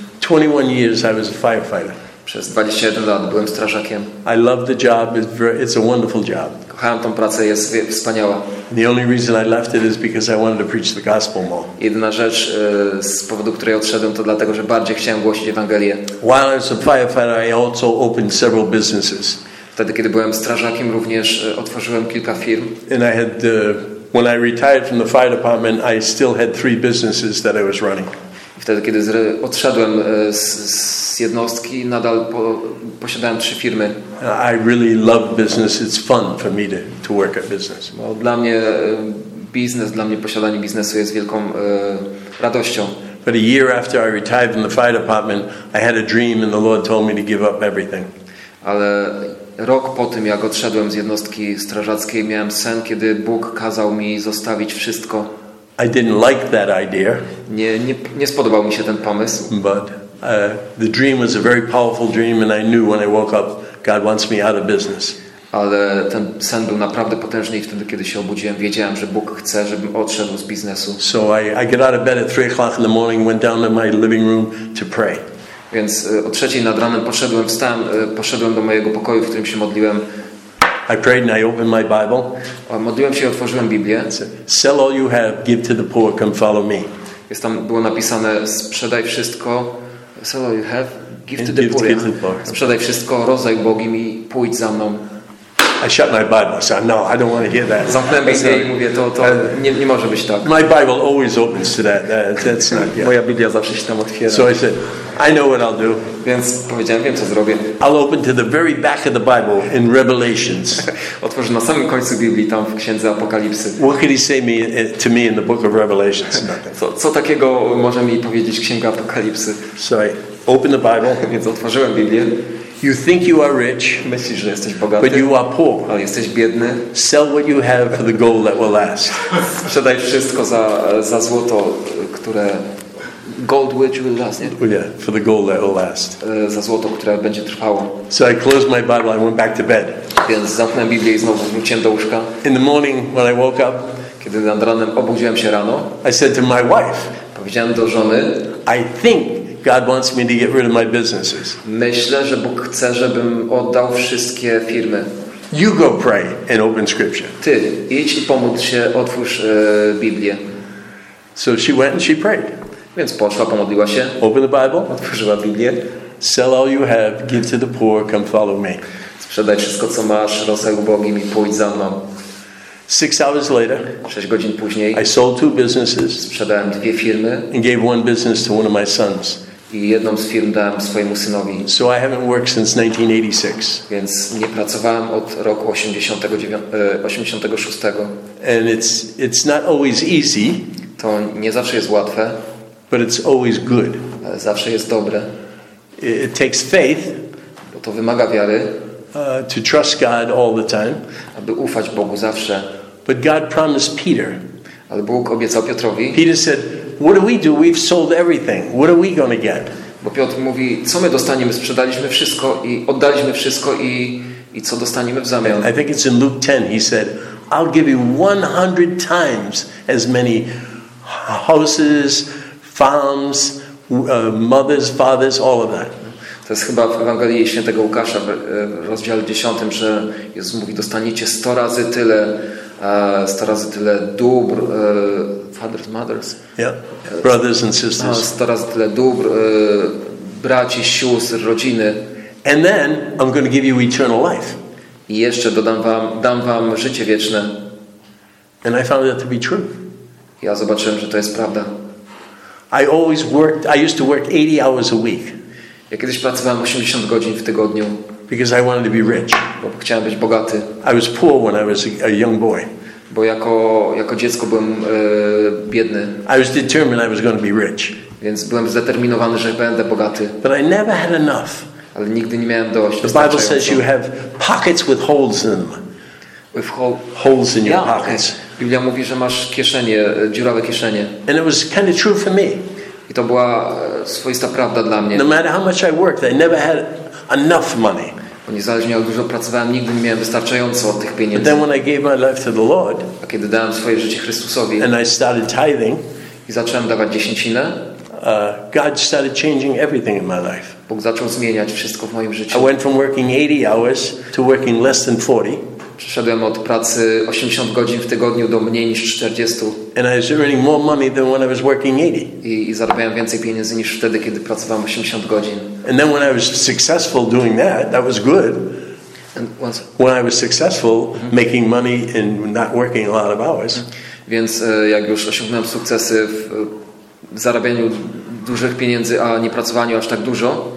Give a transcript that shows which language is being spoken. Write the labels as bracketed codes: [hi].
[en] 21 years I was a firefighter. [pl] Przez 21 lat byłem strażakiem. [en] I love the job. It's a wonderful job. [pl] Kocham tą pracę, jest wspaniała. [en] The only reason I left it is because I wanted to preach the gospel more. [pl] Jedna rzecz, z powodu której odszedłem, to dlatego, że bardziej chciałem głosić Ewangelię. [en] While I was a firefighter, I also opened several businesses. [pl] Wtedy, kiedy byłem strażakiem, również otworzyłem kilka firm. [en] And I had when I retired from the fire department, I still had 3 businesses that I was running. [pl] Wtedy, kiedy odszedłem z jednostki, nadal posiadałem 3 firmy. [en] I really love business. It's fun for me to work at business. [pl] Bo dla mnie biznes, dla mnie posiadanie biznesu jest wielką radością. [en] But a year after I retired from the fire department, I had a dream and the Lord told me to give up everything. [pl] Ale rok po tym, jak odszedłem z jednostki strażackiej, miałem sen, kiedy Bóg kazał mi zostawić wszystko. [en] I didn't like that idea. [pl] Nie spodobał mi się ten pomysł. [en] But the dream was a very powerful dream, and I knew when I woke up, God wants me out of business. [pl] Ale ten sen był naprawdę potężny, i wtedy, kiedy się obudziłem, wiedziałem, że Bóg chce, żebym odszedł z biznesu. [en] So I get out of bed at 3 o'clock in the morning, went down to my living room to pray. [pl] Więc o 3 nad ranem poszedłem do mojego pokoju, w którym się modliłem. [en] I prayed and I opened my Bible. [pl] Modliłem się i otworzyłem Biblię. [en] Sell all you have, give to the poor, come follow me. [pl] Jest tam było napisane, sprzedaj wszystko. [en] Sell all you have, give to the poor. [pl] Sprzedaj wszystko, rozdaj ubogim i pójdź za mną. [en] I shut my Bible. So no, I don't want to hear that. [pl] Zamknę Biblię i mówię, to nie może być tak. [en] My Bible always opens to that. That's not. Yeah. [pl] Moja Biblia zawsze się tam otwiera. [en] So I said, I know what I'll do. [pl] Więc powiedziałem, wiem co zrobię. [en] I'll open to the very back of the Bible in Revelations. [pl] Otworzę na samym końcu Biblii, tam w Księdze Apokalipsy. [en] What could he say to me in the book of Revelations? [pl] Co takiego może mi powiedzieć Księga Apokalipsy? [en] So I open the Bible. [pl] Więc otworzyłem Biblię. [en] You think you are rich, [pl] myślisz, że jesteś bogaty, [en] but you are poor. [pl] Ale jesteś biedny. [en] Sell what you have for the gold that will last. [pl] Sprzedaj wszystko za złoto, które [en] gold which will last. [pl] Nie? [en] Yeah, for the gold that will last. [pl] Za złoto, które będzie trwało. [en] So I closed my Bible and went back to bed. [pl] Więc zamknąłem Biblię i znowu wróciłem do łóżka. [en] In the morning when I woke up, [pl] Kiedy nad ranem obudziłem się rano, [en] I said to my wife, [pl] powiedziałem do żony, [en] I think God wants me to get rid of my businesses. [pl] Myślę, że Bóg chce, żebym oddał wszystkie firmy. [en] You go pray and open scripture. [pl] Ty idź i pomódl się, otwórz Biblię. [en] So she went and she prayed. [pl] Więc poszła, pomodliła się. [en] Open the Bible. [pl] Otworzyła Biblię. [en] Sell all you have, give to the poor, come follow me. [pl] Sprzedaj wszystko, co masz, rozdaj ubogim i pójdź za mną. [en] 6 hours later, [pl] 6 godzin później, [en] I sold 2 businesses. [pl] Sprzedałem 2 firmy. [en] And gave 1 business to one of my sons. [pl] I jedną z firm dałem swojemu synowi. [en] So I haven't worked since 1986. [pl] Więc nie pracowałem od roku 86. [en] And it's not always easy. [pl] To nie zawsze jest łatwe. [en] But it's always good. [pl] Ale zawsze jest dobre. [en] It takes faith. [pl] Bo to wymaga wiary. [en] To trust God all the time. [pl] Aby ufać Bogu zawsze. [en] But God promised Peter. [pl] Ale Bóg obiecał Piotrowi. [en] Peter said, "What do? We've sold everything. What are we going to get?" [pl] Bo Piotr mówi, co my dostaniemy? Sprzedaliśmy wszystko i oddaliśmy wszystko i co dostaniemy w zamian? [en] I think it's in Luke 10. He said, "I'll give you 100 times as many houses, farms, mothers, fathers, all of that." [pl] To jest chyba w Ewangelii Świętego Łukasza w rozdziale 10, że Jezus mówi, dostaniecie 100 razy tyle. 100 razy tyle dóbr, [en] fathers, mothers, yeah. Brothers and sisters. [pl] 100 razy tyle dóbr, braci, sióstr, rodziny. [en] And then I'm going to give you eternal life. [pl] I jeszcze dodam wam, dam wam życie wieczne. [en] And I found that to be true. [pl] Ja zobaczyłem, że to jest prawda. [en] I always worked. I used to work 80 hours a week. [pl] Ja kiedyś pracowałem 80 godzin w tygodniu. [en] Because I wanted to be rich. [pl] Bo chciałem być bogaty. [en] I was poor when I was a young boy. [pl] Bo jako dziecko byłem biedny. [en] I was determined I was going to be rich. [pl] Więc byłem zdeterminowany, że będę bogaty. [en] But I never had enough. [pl] Ale nigdy nie miałem dość. [en] The Bible says you have pockets with holes in them. With holes in your pockets. [pl] Biblia mówi, że masz kieszenie, dziurawe kieszenie. [en] And it was kind of true for me. [pl] I to była swoista prawda dla mnie. [en] No matter how much I worked, I never had enough money. [pl] Bo niezależnie jak dużo pracowałem, nigdy nie miałem wystarczająco tych pieniędzy. [en] But then when I gave my life to the Lord, [pl] a kiedy dałem swoje życie Chrystusowi, [en] and I started tithing, [pl] i zacząłem dawać dziesięcinę, [en] God started changing everything in my life. [pl] Bóg zaczął zmieniać wszystko w moim życiu. [en] I went from working 80 hours to working less than 40. [pl] Przeszedłem od pracy 80 godzin w tygodniu do mniej niż 40. [en] And I was earning more money than when I was working 80. [pl] I zarabiałem więcej pieniędzy niż wtedy, kiedy pracowałem 80 godzin. [en] And then when I was successful doing that, that was good. And once, when I was successful making money and not working a lot of hours. [pl] Więc jak już osiągnąłem sukcesy w zarabianiu dużych pieniędzy, a nie pracowaniu aż tak dużo.